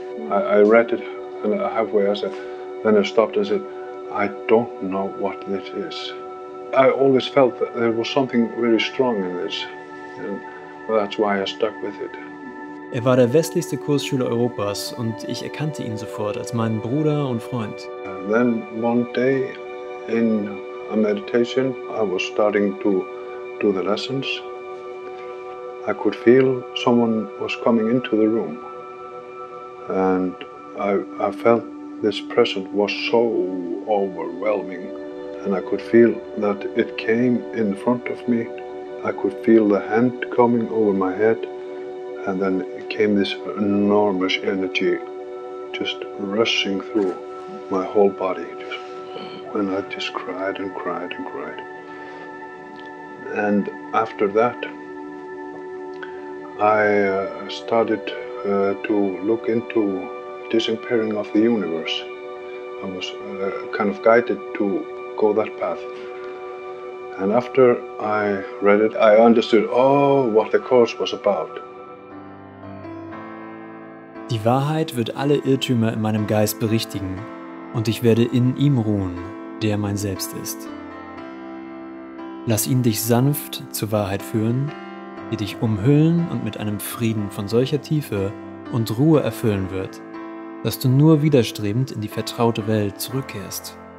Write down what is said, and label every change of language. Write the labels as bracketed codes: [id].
[en] I read it and halfway I said, then I stopped and said, I don't know what this is. I always felt that there was something very strong in this. And that's why I stuck with it. [de] Er war der westlichste Kursschüler Europas und ich erkannte ihn sofort als meinen Bruder und Freund. [en] Then one day in a meditation I was starting to do the lessons. I could feel someone was coming into the room. And I felt this presence was so overwhelming and I could feel that it came in front of me. I could feel the hand coming over my head. And then came this enormous energy just rushing through my whole body. And I just cried and cried and cried. And after that, I started to look into disappearing of the universe. I was kind of guided to go that path. And after I read it, I understood, oh, what the course was about. [de] Die Wahrheit wird alle Irrtümer in meinem Geist berichtigen und ich werde in ihm ruhen, der mein Selbst ist. Lass ihn dich sanft zur Wahrheit führen, die dich umhüllen und mit einem Frieden von solcher Tiefe und Ruhe erfüllen wird, dass du nur widerstrebend in die vertraute Welt zurückkehrst.